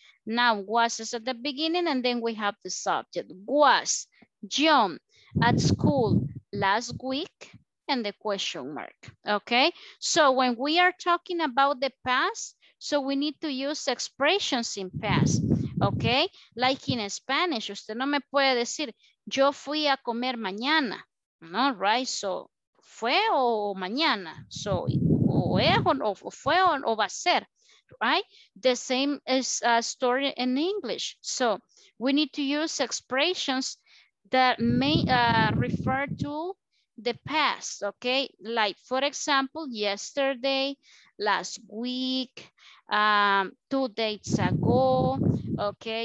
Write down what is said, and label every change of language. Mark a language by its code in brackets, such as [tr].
[en] Now was is at the beginning and then we have the subject. Was John at school last week? And the question mark, okay? So when we are talking about the past, so we need to use expressions in past, okay? Like in Spanish, [es] usted no me puede decir, yo fui a comer mañana, no, [en] right? [es] So, fue o mañana, so, o es o fue o va a ser, [en] right? The same is a story in English. So, we need to use expressions that may refer to the past, okay? Like, for example, yesterday, last week, 2 days ago, okay?